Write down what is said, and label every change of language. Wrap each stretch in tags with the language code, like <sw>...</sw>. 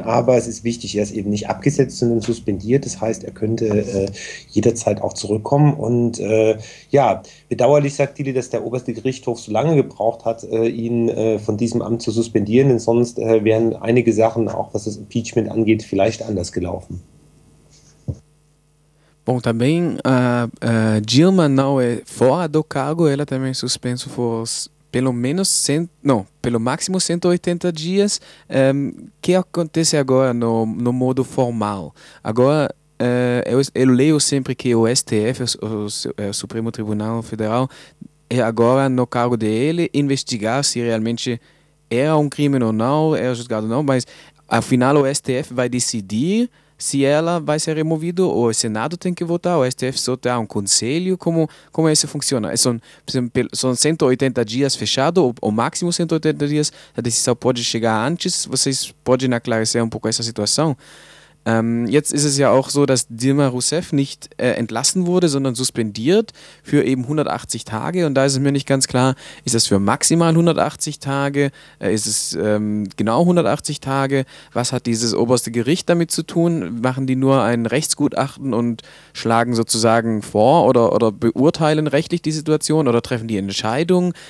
<de>Aber es ist wichtig, er ist eben nicht abgesetzt, sondern suspendiert. Das heißt, er könnte jederzeit auch zurückkommen. Und ja, bedauerlich, sagt Dili, dass der oberste Gerichtshof so lange gebraucht hat, ihn von diesem Amt zu suspendieren. Denn sonst wären einige Sachen, auch was das Impeachment angeht, vielleicht anders gelaufen.</de> <pt>Bom, também a Dilma não é fora do cargo, ela também é suspenso por pelo máximo 180 dias. O que acontece agora no modo formal? Agora, eu leio sempre que o STF, o Supremo Tribunal Federal, é agora no cargo dele investigar se realmente era um crime ou não, era julgado ou não, mas afinal o STF vai decidir se ela vai ser removida, ou o Senado tem que votar, o STF só tem um conselho, como isso funciona? São 180 dias fechado, ou máximo 180 dias, a decisão pode chegar antes, vocês podem aclarecer um pouco essa situação?</pt> <de>Jetzt ist es ja auch so, dass Dilma Rousseff nicht entlassen wurde, sondern suspendiert für eben 180 Tage. Und da ist es mir nicht ganz klar, ist das für maximal 180 Tage, ist es genau 180 Tage? Was hat dieses oberste Gericht damit zu tun? Machen die nur ein Rechtsgutachten und schlagen sozusagen vor oder beurteilen rechtlich die Situation oder treffen die Entscheidung?</de>